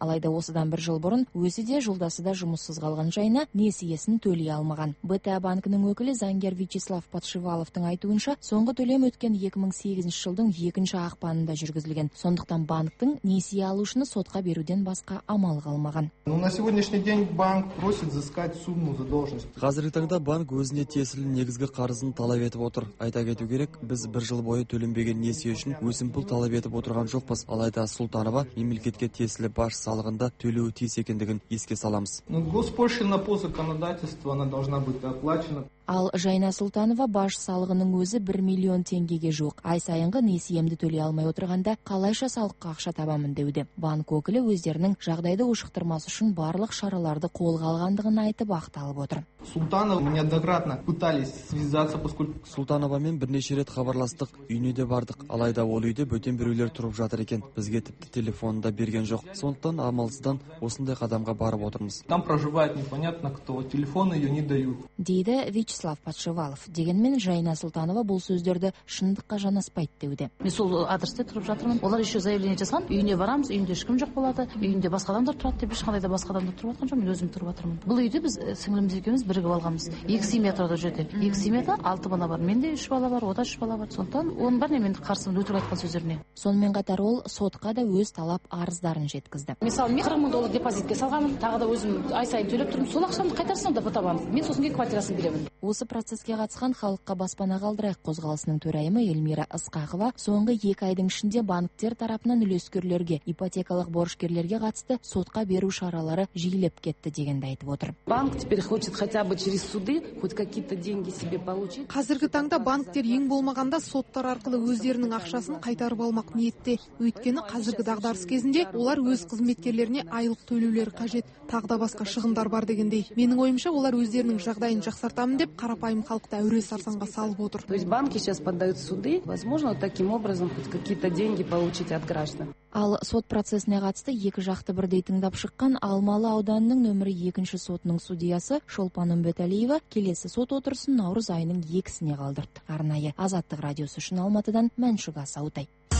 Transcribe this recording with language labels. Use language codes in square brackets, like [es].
[kk] Алайда осыдан 1 жыл бұрын өзі де жолдасы да жұмыссыз қалған Жайна несиесін төлей алмаған. БТА банкінің өкілі заңгер Вячеслав Подшиваловтың айтуынша, соңғы төлем өткен 2008 жылдың 2 ақпанында жүргізілген. Сондықтан банктің несие алушыны сотқа беруден басқа амалы қалмаған. [ru] На сегодняшний день банк просит взыскать сумму задолженности. [kk] Қазіргі таңда банк өзіне тиесілі негізгі қарызын талап етіп отыр. Айта кету керек, біз бір жыл бойы төленбеген несие үшін өсімпұл талап етіп отырған жоқпыз. Алайда Сұлтанова мемлекетке тиесілі баж салығында төлеуі тиіс екендігін еске саламыз. [ru] Госпошлина по законодательству она должна быть оплачена. [kk] Ал Жайна Сұлтанова баж салығының өзі 1 миллион теңгеге жуық. Ай сайынғы несиемді төлей алмай отырғанда қалайша салыққа ақша табамын деуде. Банк өкілі өздерінің жағдайды ушықтырмас үшін барлық шараларды қолға алғандығын айтып ақталып отыр. [ru] Султанов неоднократно пытались связаться, поскольку [kk] Султанова мен бірнеше рет хабарластық, үйіне де бардық, алайда ол үйде бөтен біреулер тұрып жатыр екен. Бізге тіпті телефонын да берген жоқ. Сондықтан амалсыздан осындай қадамға барып отырмыз. [ru] Там проживает непонятно кто, телефон её не дают. [kk] Дейді Вячеслав Патшывалов. Дегенмен Жайна Султанова бұл сөздерді шындыққа жанаспайды деуде. Мен сол адресте тұрып жатырмын. Олар [ru] еще [kk] заявление жасаған, үйіне барамыз, үйінде ешкім жоқ болады, үйінде басқа адамдар тұрады деп, ешқандай да басқа адамдар тұрып жатқан жоқ, мен өзім тұрып жатырмын. Бұл үйде біз сіңліміз екеуміз бірігіп алғанбыз. 2 семьяда жүрді. 2 семьяда 6 бала бар. Менде 3 бала бар, ода 3 бала бар. Сондықтан оның бәріне мен қарсымын өтірік айтқан сөздеріне. Сонымен қатар ол сотқа да өз талап арыздарын жеткізді. Мысалы, мен 40 мың доллар депозитке салғанмын, тағы да өзім ай сайын төлеп тұрмын. Сол ақшаны қайтарсам да потабам. Мен сосын кейін квартирасын беремін. Осы процеске қатысқан халыққа баспана қалдырайық қозғалысының төрайымы Эльмира Ысқақова соңғы 2 айдың ішінде банктер тарапынан үлескерлерге, ипотекалық борышкерлерге қатысты сотқа беру шаралары жиілеп кетті дегенді айтып отыр. [ru] Банк теперь хочет хотя бы через суды хоть какие-то деньги себе получить. [kk] Қазіргі таңда банктер ең болмағанда соттар арқылы өздерінің ақшасын қайтарып алмақ ниетте. Өйткені қазіргі дағдарыс кезінде олар өз қызметкерлеріне айлық төлеулері қажет, тағы да басқа шығындар бар дегендей. Менің ойымша олар өздерінің жағдайын жақсартамын деп қарапайым халықты әуре сарсанға салып отыр. [ru] То есть банки сейчас поддают суды, возможно, таким образом хоть какие-то деньги получить от граждан. [kk] Ал сот процесіне қатысты екі жақты бірдей тыңдап шыққан Алмалы ауданының нөмірі 2-ші сотының судьясы Шолпан Үмбетәлиева келесі сот отырысын наурыз айының 2-сіне қалдырды. Арнайы Азаттық радиосы үшін Алматыдан Мәншүк Асаутай.